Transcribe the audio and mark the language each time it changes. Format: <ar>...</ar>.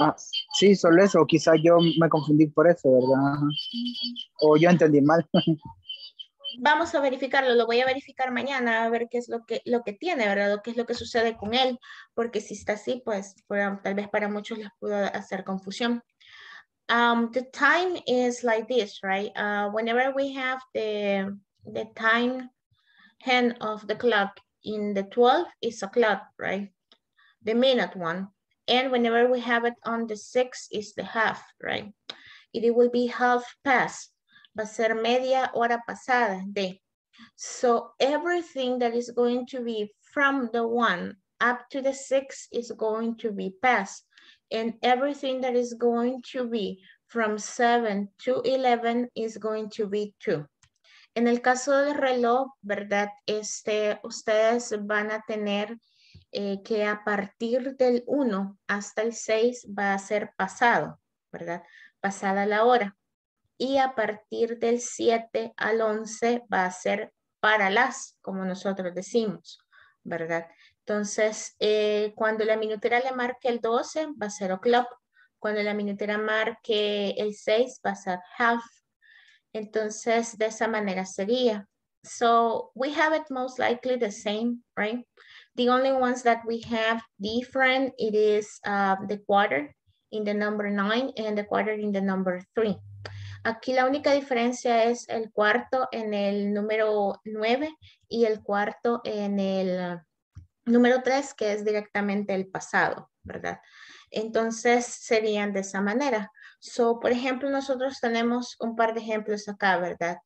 <es>Ah, sí, solo eso. Quizás yo me confundí por eso, ¿verdad? Ajá. O yo entendí mal. Vamos a verificarlo. Lo voy a verificar mañana a ver qué es lo que tiene, ¿verdad? Qué es lo que sucede con él. Porque si está así, pues tal vez para muchos les pudo hacer confusión.</es> <en>The time is like this, right? Whenever we have the time hand of the clock in the 12, it's a clock, right? The minute one. And whenever we have it on the 6, is the half, right? It will be half past.</en> <es>Va a ser media hora pasada, day.</es> <en>So everything that is going to be from the 1 up to the 6 is going to be past. And everything that is going to be from 7 to 11 is going to be 2.</en> <es>En el caso del reloj, ¿verdad? Ustedes van a tener que a partir del 1 hasta el 6 va a ser pasado, ¿verdad? Pasada la hora. Y a partir del 7 al 11 va a ser para las, como nosotros decimos, ¿verdad? Entonces, cuando la minutera le marque el 12, va a ser o'clock. Cuando la minutera marque el 6, va a ser half. Entonces, de esa manera sería.</es> <en>So, we have it most likely the same, right? The only ones that we have different, it is the quarter in the number 9 and the quarter in the number 3.</en> <es>Aquí la única diferencia es el cuarto en el número 9 y el cuarto en el número 3, que es directamente el pasado, ¿verdad? Entonces, serían de esa manera. So, por ejemplo, nosotros tenemos un par de ejemplos acá, ¿verdad?</es>